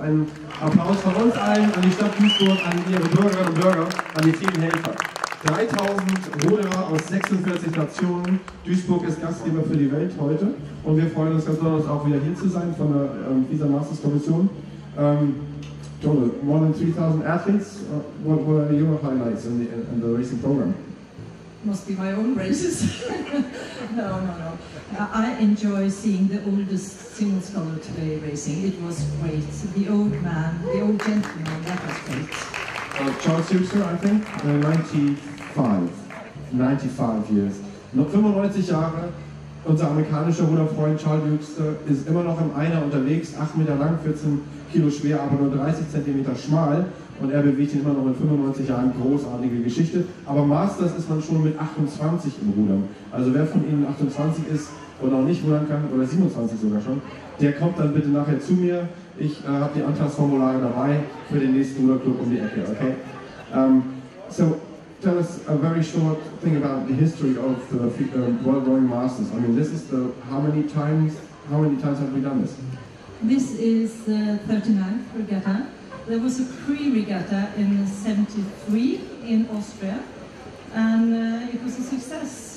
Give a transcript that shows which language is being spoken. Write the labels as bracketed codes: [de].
[de] Ein Applaus von uns allen an die Stadt Duisburg, an ihre Bürgerinnen und Bürger, an die vielen Helfer. 3000 Ruderer aus 46 Nationen. Duisburg ist Gastgeber für die Welt heute. Und wir freuen uns ganz besonders auch wieder hier zu sein von der FISA Masters Kommission. [en] Tone, more than 3000 athletes. What are your highlights in the racing program? Must be my own races. No. I enjoy seeing the oldest single scholar today racing. It was great. The old man, the old gentleman, that was great. Charles Huster, I think, 95 years. [de] 95 Jahre. Unser amerikanischer Ruderfreund Charles Huster ist immer noch im Einer unterwegs, 8 Meter lang, 14 Kilo schwer, aber nur 30 Zentimeter schmal. Und er bewegt ihn immer noch mit 95 Jahren, großartige Geschichte. Aber Masters ist man schon mit 28 im Rudern. Also wer von Ihnen 28 ist oder auch nicht rudern kann, oder 27 sogar schon, der kommt dann bitte nachher zu mir. Ich habe die Antragsformulare dabei für den nächsten Ruderclub um die Ecke, okay? [en] Tell us a very short thing about the history of the World Rowing Masters. I mean, this is the, how many times have we done this? This is the 39th regatta. There was a pre-regatta in 73 in Austria, and it was a success.